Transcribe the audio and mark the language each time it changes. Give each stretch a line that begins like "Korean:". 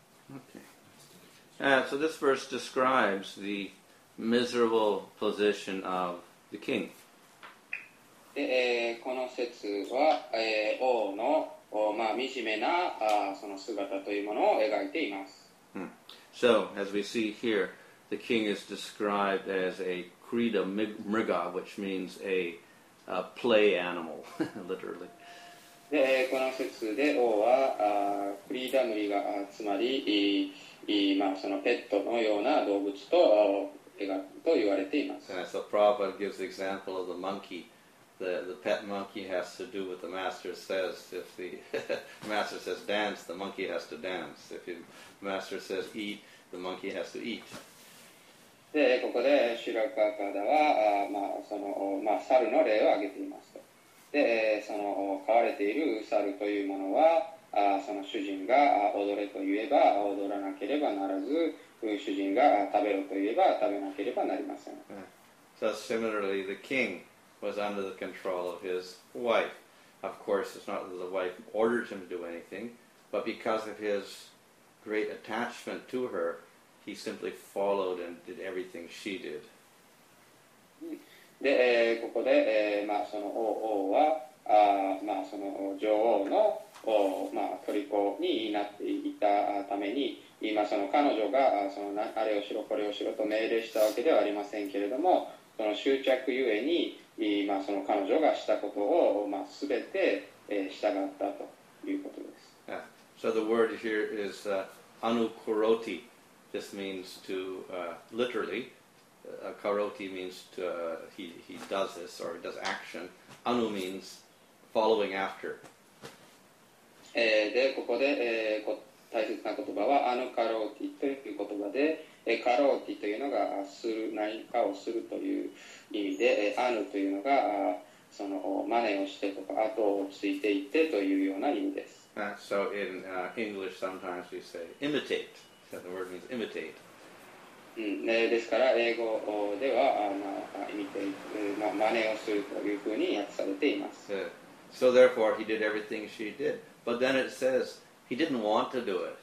English: OK So this verse describes the miserable position of the king.
Japanese: で、この節は、王のまあ、惨めなその姿というものを描いています。
English: So, as we see here, the king is described as a Krita Mrga, which means a play animal, literally.
Japanese: で、この説で王はKrita Mrga、つまり、まあ、そのペットのような動物と描くと言われています。
English: And so Prabhupada gives the example of the monkey. The pet monkey has to do what the master says. If the master says dance, the monkey has to dance. If the master says eat, the monkey has to eat.
Japanese: で、ここでシュラカーカーダは、まあ、その、まあ、猿の例を挙げていますと。で、その、飼われている猿というものは、その主人が踊れと言えば踊らなければならず、主人が食べろと言えば食べなければなりません。
English: So similarly, the king. Was under the control of his wife. Of course, it's not that the wife ordered him to do anything, but because of his great attachment to her, he simply followed and did everything she did.
Japanese: で、ここで、まあ、その王は、まあ、その女王の、まあ、虜になっていたために、今その彼女がそのあれをしろ、これをしろと命令したわけではありませんけれども、その執着ゆえに、まあ、その彼女がしたことを、まあ、全て、従ったということです。
English: Yeah. So the word here is anukuroti. This means to, literally, karoti means to, he does this or does action. Anu means following after.
Japanese: で、ここで、大切な言葉はアヌカロティという言葉で、カローティというのがする何かをするという意味で、アヌというのがその真似をしてとか後をついていってというような意味です。
English: So in English sometimes we say imitate. So the word means imitate.
Japanese: ですから英語では、まあ、imitate、まあ、真似をするというふうに訳されています。
English: So therefore he did everything she did. But then it says he didn't want to do it.